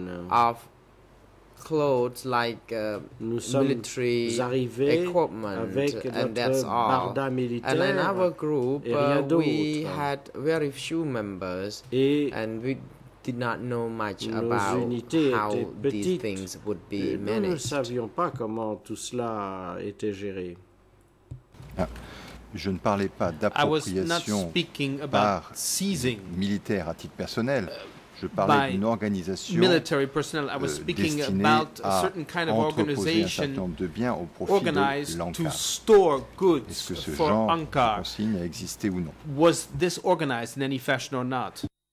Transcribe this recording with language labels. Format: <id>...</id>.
<en>of clothes like military equipment,</en> <fr>avec</fr> <en>and that's all. And in our group, we had very few members,</en> <fr>et</fr> <en>and we did not know much about how these things would be managed.</en> <fr>Nous ne savions pas comment tout cela était géré. Ah, je ne parlais pas d'appropriation par militaire à titre personnel. Je parlais d'une organisation destinée à entreposer un certain nombre de biens au profit de l'ANCAR. Est-ce que ce genre de consigne a existé ou non?</fr> <en>Was this organized in any fashion or not?</en>